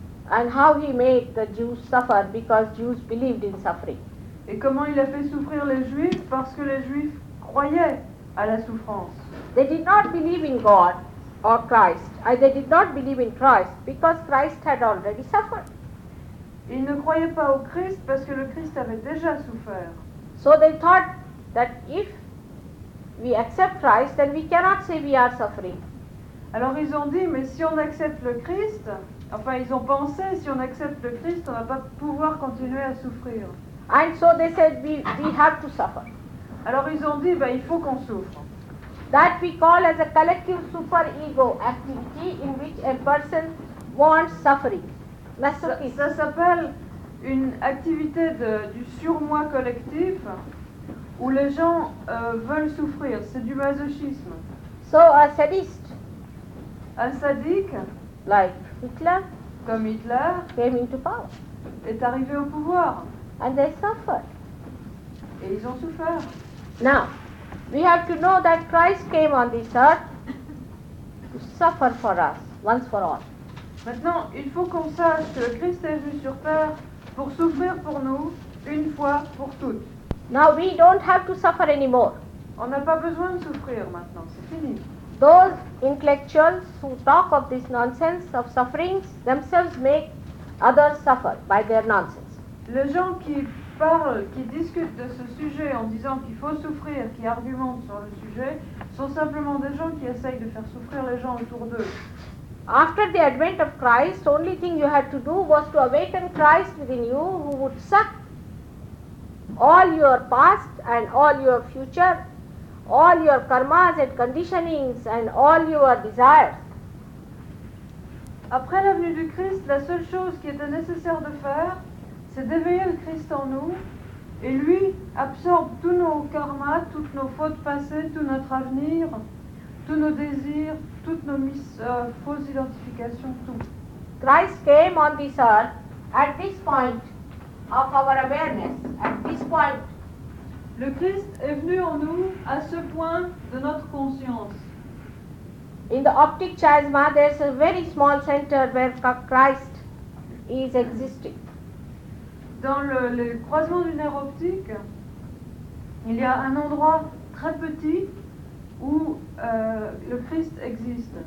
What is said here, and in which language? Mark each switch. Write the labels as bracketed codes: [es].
[en] And how he made the Jews suffer because Jews believed in suffering. [fr] Et comment il a fait souffrir les Juifs parce que les Juifs croyaient à la souffrance. [en] They did not believe in God or Christ. They did not believe in Christ because Christ had already suffered. [fr] Ils ne croyaient pas au Christ parce que le Christ avait déjà souffert. [en] So they thought that if we accept Christ, then we cannot say we are suffering. [fr] Alors ils ont dit, mais si on accepte le Christ, enfin ils ont pensé, si on accepte le Christ, on va pas pouvoir continuer à souffrir. [en] And so they said, we have to suffer. [fr] Alors ils ont dit, ben il faut qu'on souffre. [en] That we call as a collective superego activity in which a person wants suffering. [fr] Ça s'appelle une activité du surmoi collectif où les gens veulent souffrir. C'est du masochisme. [en] So a sadist, [fr] un sadique, [en] like Hitler, [fr] comme Hitler, [en] came into power, [fr] est arrivé au pouvoir. [en] And they suffered. [fr] Et ils ont souffert. [en] Now, we have to know that Christ came on this earth to suffer for us once for all. [fr] Maintenant, il faut qu'on sache que Christ est venu sur terre pour souffrir pour nous une fois pour toutes. [en] Now we don't have to suffer anymore. [fr] On n'a pas besoin de souffrir maintenant, c'est fini. [en] Those intellectuals who talk of this nonsense of sufferings themselves make others suffer by their nonsense. [fr] Les gens qui discutent de ce sujet en disant qu'il faut souffrir, qui argumentent sur le sujet, sont simplement des gens qui essayent de faire souffrir les gens autour d'eux. [en] After the advent of Christ, the only thing you had to do was to awaken Christ within you, who would suck all your past and all your future, all your karmas and conditionings and all your desires. [fr] Après la venue du Christ, la seule chose qui était nécessaire de faire, c'est d'éveiller le Christ en nous, et lui absorbe tous nos karmas, toutes nos fautes passées, tout notre avenir, tous nos désirs, toutes nos fausses identifications, tout. [en] Christ came on this earth at this point of our awareness, at this point. [fr] Le Christ est venu en nous à ce point de notre conscience. [en] In the optic chiasma, there's a very small center where Christ is existing. [fr] Dans le croisement du nerf optique, Il y a un endroit très petit où le Christ existe.